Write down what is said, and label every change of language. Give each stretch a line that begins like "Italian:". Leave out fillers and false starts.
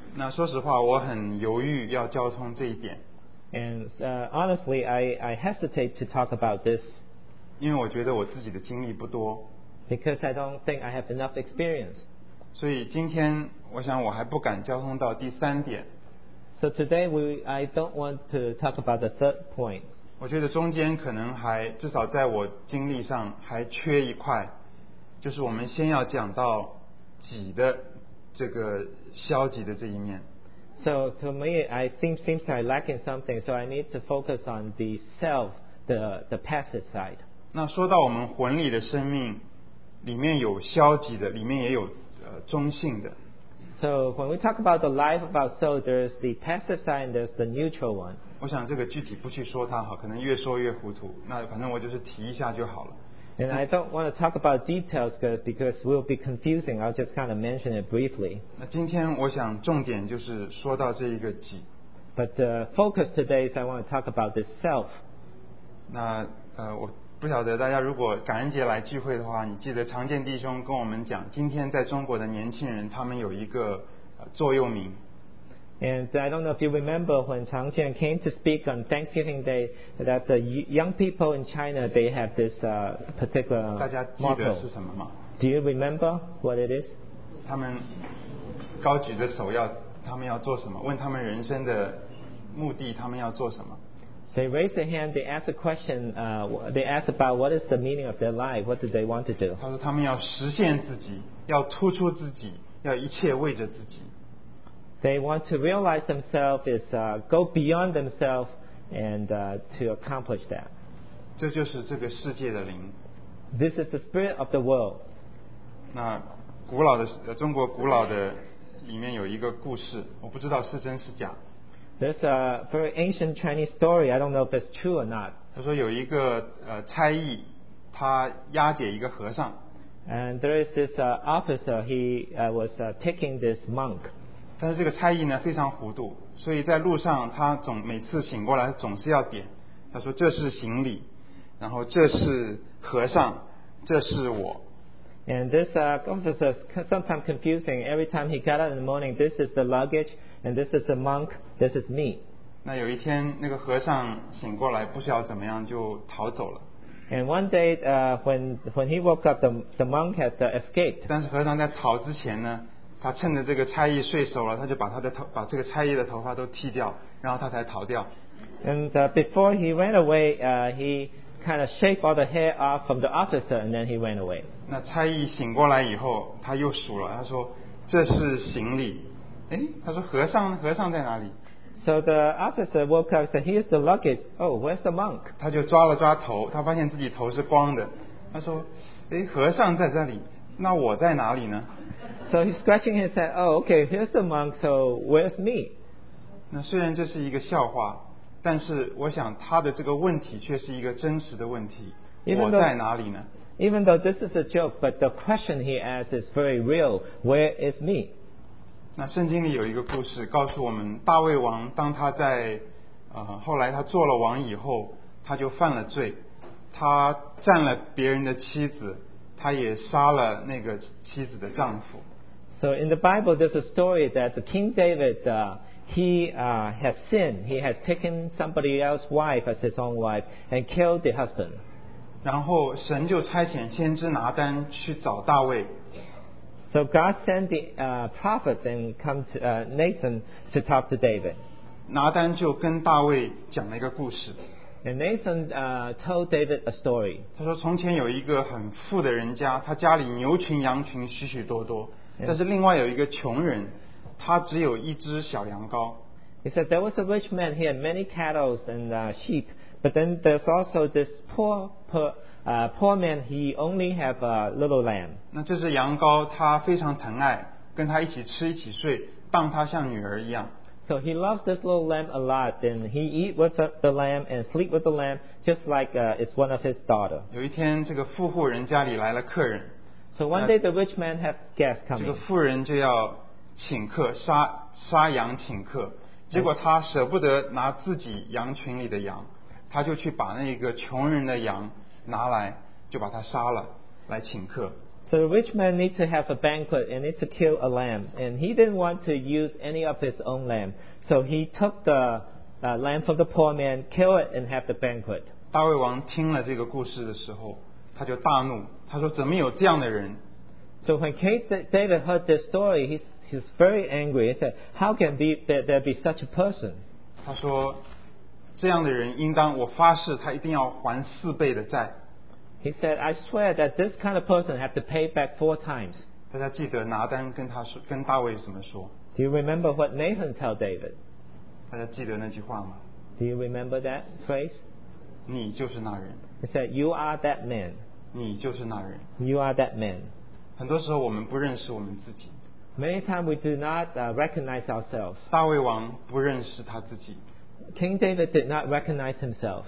Chinese: 那说实话，我很犹豫要交通这一点。
English: And honestly, I hesitate to talk about this.
Chinese: 因为我觉得我自己的经历不多。
English: Because I don't think I have enough experience.
Chinese: 所以今天我想我还不敢交通到第三点。
English: So today I don't want to talk about the third point.
Chinese: 我觉得中间可能还至少在我经历上还缺一块，就是我们先要讲到己的这个消极的这一面。
English: So to me, I seems I lacking something. So I need to focus on the self, the passive side.
Chinese: 那说到我们魂里的生命，里面有消极的，里面也有中性的。
English: So when we talk about the life of our soul, there's the passive side and there's the neutral one.
Chinese: 我想这个具体不去说它好，可能越说越糊涂。那反正我就是提一下就好了。
English: And I don't want to talk about details because we'll be confusing. I'll just kind of mention it briefly.
Chinese: 那今天我想重点就是说到这一个己。
English: But the focus today is I want to talk about the self.
Chinese: 那我不晓得大家如果感恩节来聚会的话，你记得常见弟兄跟我们讲，今天在中国的年轻人他们有一个座右铭。
English: And I don't know if you remember when 常健 came to speak on Thanksgiving Day that the young people in China they have this particular motto.
Chinese: 大家记得是什么吗
English: ？Do you remember what it is？
Chinese: 他们高举着手要他他们要做什么，问他们人生的目的，他们要做什么。
English: They raise their hand, they ask a question, they ask about what is the meaning of their life, what do they want to do?
Chinese: 他说他们要实现自己，要突出自己，要一切为着自己。
English: They want to realize themselves, is, go beyond themselves and, to accomplish that.
Chinese: 这就是这个世界的灵。
English: This is the spirit of the world.
Chinese: 那古老的，中国古老的里面有一个故事，我不知道是真是假。
English: There's a very ancient Chinese story. I don't know if it's true or not.
Chinese: 他说有一个差役，他押解一个和尚。
English: And there is this officer. He was taking this monk.
Chinese: 但是这个差役呢非常糊涂，所以在路上他总每次醒过来总是要点。他说这是行李，然后这是和尚，这是我。
English: And this officer is sometimes confusing. Every time he got up in the morning, this is the luggage, and this is the monk, this is me.
Chinese: 那有一天，那个和尚醒过来，不知道怎么样就逃走了。
English: And one day, when he woke up, the monk had escaped.
Chinese: 但是和尚在逃之前呢，他趁着这个差役睡熟了，他就把他的头，把这个差役的头发都剃掉，然后他才逃掉。
English: And before he ran away, he kind of shaved all the hair off from the officer, and then he went away.
Chinese: 那差役醒过来以后，他又数了，他说这是行李。哎，他说和尚，和尚在哪里
English: ？So the officer woke up said, "Here's the luggage." Oh, where's the monk?
Chinese: 他就抓了抓头，他发现自己头是光的。他说，哎，和尚在这里，那我在哪里呢
English: ？So he's scratching his head. Oh, okay, here's the monk. So where's me?
Chinese: 那虽然这是一个笑话。但是我想他的这个问题却是一个真实的问题
English: though,
Chinese: 我在哪里呢
English: Even though this is a joke but the question he asks is very real Where is me?
Chinese: 那圣经里有一个故事告诉我们大卫王当他在后来他做了王以后他就犯了罪他占了别人的妻子他也杀了那个妻子的丈夫
English: So in the Bible there's a story that the King David He has sinned. He has taken somebody else's wife as his own wife and killed the husband.
Chinese: 然后神就差遣先知拿单去找大卫。
English: So God sent the prophets and come to Nathan to talk to David.
Chinese: 拿单就跟大卫讲了一个故事。
English: And Nathan told David a story.
Chinese: 他说从前有一个很富的人家，他家里牛群羊群许许多多，但是另外有一个穷人。他只有一只小羊羔。
English: He said there was a rich man. He had many cattle and sheep. But then there's also this poor man. He only have a little lamb.
Chinese: 那这只羊羔他非常疼爱，跟他一起吃一起睡，当他像女儿一样。
English: So he loves this little lamb a lot. And he eat with the lamb and sleep with the lamb, just like it's one of his daughter.
Chinese: 有一天，这个富户人家里来了客人。
English: So one day the rich man have guests coming.
Chinese: 这个富人就要。请客 杀羊请客结果他舍不得拿自己羊群里的羊他就去把那个穷人的羊拿来就把他杀了来请客
English: So the rich man needs to have a banquet and needs to kill a lamb and he didn't want to use any of his own lamb so he took the lamb from the poor man kill it and have the banquet
Chinese: 大卫王听了这个故事的时候他就大怒他说怎么有这样的人
English: So when David heard this story He's very angry. He said, "How can there be such a person?"
Chinese: 他说，这样的人应当，我发誓，他一定要还四倍的债。
English: He said, "I swear that this kind of person have to pay back four times."
Chinese: 大家记得拿单跟他说，跟大卫怎么说
English: ？Do you remember what Nathan told David?
Chinese: 大家记得那句话吗
English: ？Do you remember that phrase?
Chinese: 你就是那人。
English: He said, "You are that man."
Chinese: 你就是那人。
English: You are that man.
Chinese: 很多时候我们不认识我们自己。
English: Many times we do not recognize ourselves.
Chinese: 大卫王不认识他自己。
English: King David did not recognize himself.